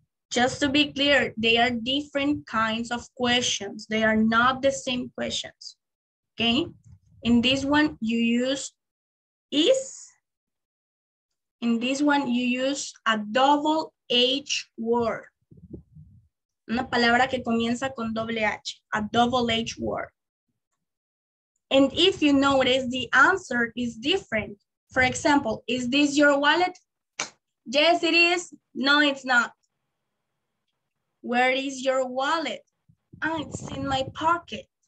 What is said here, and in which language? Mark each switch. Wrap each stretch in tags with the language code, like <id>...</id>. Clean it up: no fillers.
<en>Just to be clear, they are different kinds of questions. They are not the same questions, okay? In this one, you use is. In this one, you use a double H word.</en> <es>Una palabra que comienza con doble H,</es> <en>a double H word. And if you notice, the answer is different. For example, is this your wallet? Yes, it is. No, it's not. Where is your wallet? Oh, it's in my pocket.</en>